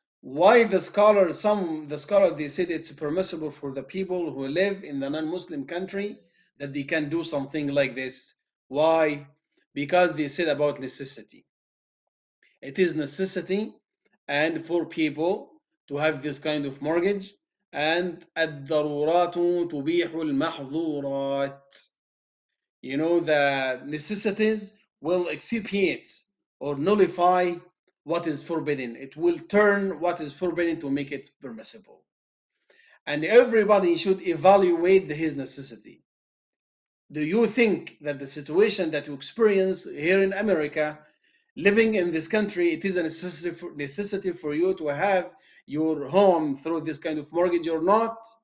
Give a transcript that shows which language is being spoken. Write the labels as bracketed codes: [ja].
[en] why the scholar, some the scholar, they said it's permissible for the people who live in the non-Muslim country that they can do something like this. Why? Because they said about necessity. It is necessity and for people to have this kind of mortgage. [ar] And الضرورات تبيح المحظورات. [en] You know, the necessities will expiate or nullify what is forbidden. It will turn what is forbidden to make it permissible. And everybody should evaluate his necessity. Do you think that the situation that you experience here in America, living in this country, it is a necessity for you to have your home through this kind of mortgage or not?